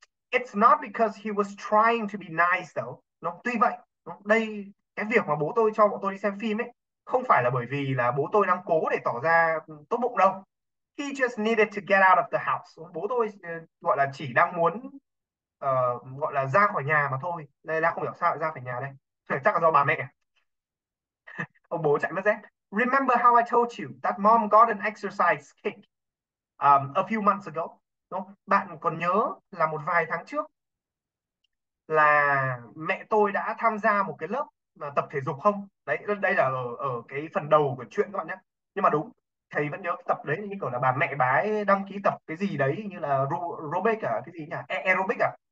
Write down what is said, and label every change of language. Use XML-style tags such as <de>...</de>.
<en>It's not because he was trying to be nice though.</en> <vi>No, tuy vậy. No, đây. Cái việc mà bố tôi cho bọn tôi đi xem phim ấy. Không phải là bởi vì là bố tôi đang cố để tỏ ra tốt bụng đâu.</vi> <en>He just needed to get out of the house.</en> <vi>Bố tôi gọi là chỉ đang muốn gọi là ra khỏi nhà mà thôi. Đây đã không hiểu sao lại ra khỏi nhà đây. Chắc là do bà mẹ. Ông bố chạy mất dép.</vi> <en>Remember how I told you that mom got an exercise kick a few months ago?</en> <vi>Đúng. Bạn còn nhớ là một vài tháng trước là mẹ tôi đã tham gia một cái lớp mà tập thể dục không? Đấy, đây là ở cái phần đầu của chuyện các bạn nhé. Nhưng mà đúng, thầy vẫn nhớ tập đấy như kiểu là bà mẹ bà ấy đăng ký tập cái gì đấy như là aerobic à, cái gì nhỉ? Aerobic à?</vi>